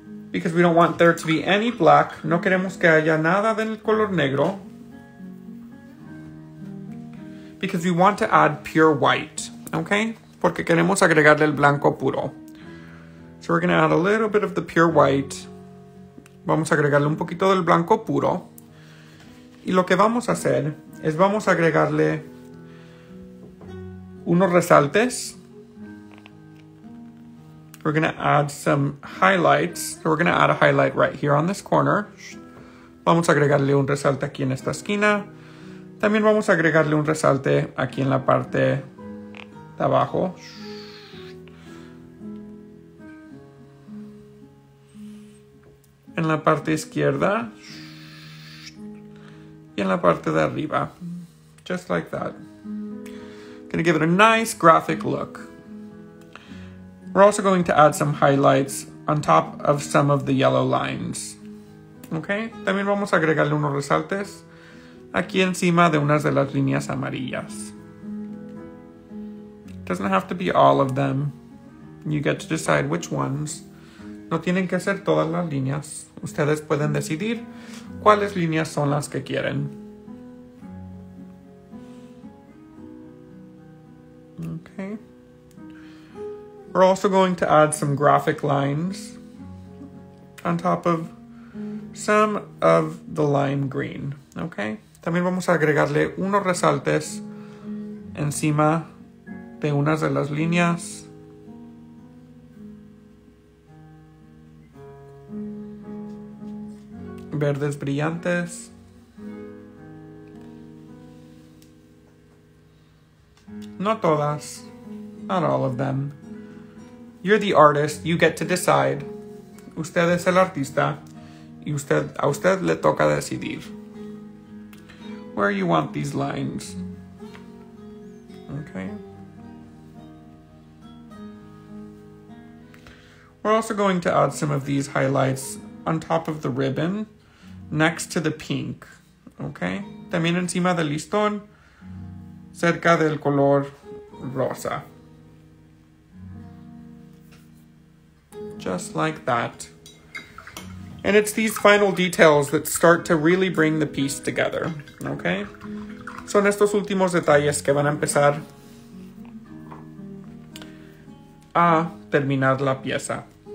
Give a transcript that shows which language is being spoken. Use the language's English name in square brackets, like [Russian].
[English] Because we don't want there to be any black. [Spanish] No queremos que haya nada del color negro. [English] Because we want to add pure white. Okay? [Spanish] Porque queremos agregarle el blanco puro. [English] So we're going to add a little bit of the pure white. [Spanish] Vamos a agregarle un poquito del blanco puro. Y lo que vamos a hacer es vamos a agregarle unos resaltes. [English] We're going to add some highlights. So we're going to add a highlight right here on this corner. [Spanish] Vamos a agregarle un resalte aquí en esta esquina. También vamos a agregarle un resalte aquí en la parte de abajo. En la parte izquierda y en la parte de arriba, [English] just like that. Gonna give it a nice graphic look. We're also going to add some highlights on top of some of the yellow lines. [Spanish] Okay, también vamos a agregarle unos resaltes aquí encima de unas de las líneas amarillas. [English] Doesn't have to be all of them. You get to decide which ones. [Spanish] No tienen que ser todas las líneas. Ustedes pueden decidir cuáles líneas son las que quieren. [English] Okay. We're also going to add some graphic lines on top of some of the lime green. Okay. [Spanish] También vamos a agregarle unos resaltes encima de unas de las líneas. Verdes brillantes. No todas. [English] Not all of them. You're the artist. You get to decide. [Spanish] Usted es el artista. Y usted, a usted le toca decidir. [English] Where you want these lines. Okay. We're also going to add some of these highlights on top of the ribbon. Next to the pink, okay? [Spanish] También encima del listón, cerca del color rosa. [English] Just like that. And it's these final details that start to really bring the piece together, okay? [Spanish] Son estos últimos detalles que van a empezar a terminar la pieza.